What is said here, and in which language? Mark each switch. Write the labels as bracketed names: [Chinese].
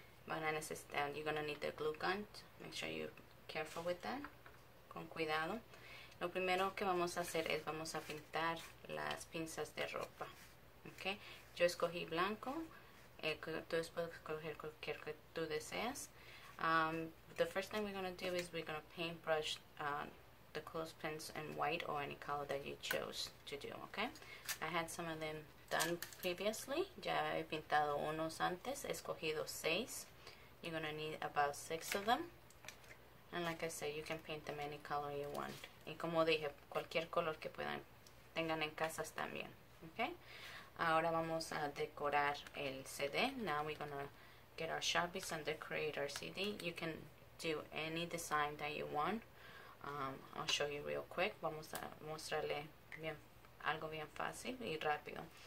[Spanish] Van a necesitar, [English] you're going to need the glue gun. Make sure you're careful with that. [Spanish] Con cuidado. Lo primero que vamos a hacer es vamos a pintar las pinzas de ropa. Okay. Yo escogí blanco. Tú puedes escoger cualquier que tú deseas. [English] The first thing we're going to do is we're going to paintbrush the clothespins in white or any color that you chose to do. Okay. I had some of them done previously. [Spanish] Ya he pintado unos antes. He escogido 6. [English] You're going to need about 6 of them. And like I said, you can paint them any color you want. [Spanish] Y como dije, cualquier color que puedan tengan en casas también. Okay? Ahora vamos a decorar el CD. [English] Now we're going to get our Sharpies and decorate our CD. You can do any design that you want. I'll show you real quick. [Spanish] Vamos a mostrarle bien, algo bien fácil y rápido.